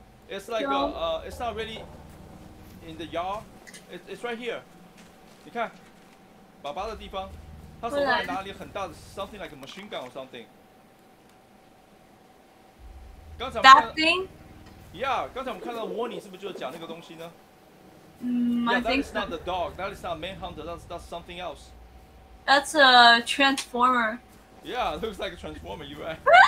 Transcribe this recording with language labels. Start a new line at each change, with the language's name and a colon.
English: It's like it's not really in the yard. It's right here.
Chinese: 你看，爸爸的地方。他手上拿了一个很大的
English: something like a machine gun or something.
Chinese: 刚才我们看到 warning 是不是就是讲那个东西呢？
English: Yeah, that is not the dog. That is not manhunter. That's something else. That's a transformer. Yeah, it looks like a transformer, you right?